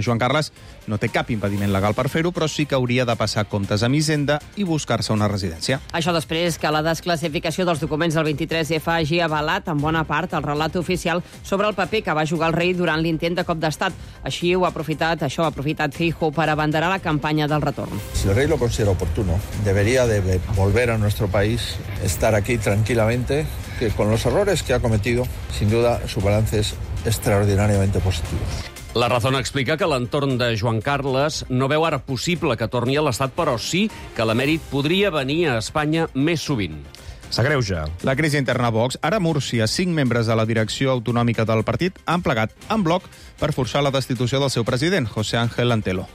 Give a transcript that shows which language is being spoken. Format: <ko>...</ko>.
<ca>Joan Carles no té cap impediment legal per fer-ho, però sí que hauria de passar comptes amb Hisenda i buscar-se una residència. Això després que la desclassificació dels documents del 23F hagi avalat en bona part el relat oficial sobre el paper que va jugar el rei durant l'intent de cop d'estat. Així ho ha aprofitat, això ha aprofitat Feijóo per abanderar la campanya del retorn.</ca> <es>Si el rei lo considera oportuno, debería de volver a nuestro país, estar aquí tranquilamente, que con los errores que ha cometido, sin duda su balance es extraordinariamente positivo.</es> <ca>La Razón explica que l'entorn de Joan Carles no veu ara possible que torni a l'Estat, però sí que l'emèrit podria venir a Espanya més sovint. S'agreuja. La crisi interna a Vox, ara a Múrcia, 5 membres de la direcció autonòmica del partit han plegat en bloc per forçar la destitució del seu president, José Ángel Antelo.</ca>